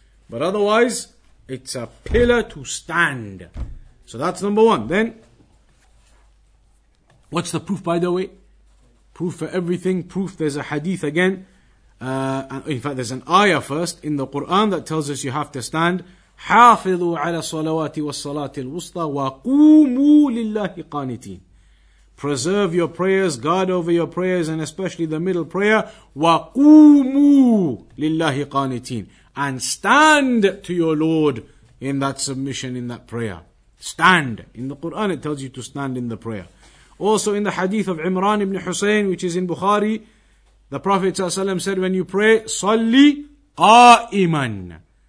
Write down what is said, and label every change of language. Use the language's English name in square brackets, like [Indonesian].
[English] But otherwise, it's a pillar to stand. So that's number one. Then, what's the proof, by the way? Proof for everything. Proof, there's a hadith again. In fact, there's an ayah first in the Quran that tells us you have to stand. [Arabic] حافظوا على الصلوات والصلاة الوسطى وقوموا لله قانتين. [English] Preserve your prayers, guard over your prayers, and especially the middle prayer. [Arabic] وقوموا لله قانتين. [English] And stand to your Lord in that submission, in that prayer. Stand. In the Quran, it tells you to stand in the prayer. Also, in the hadith of Imran ibn Husayn, which is in Bukhari, the Prophet ﷺ said, when you pray, [Arabic] صلي قائماً.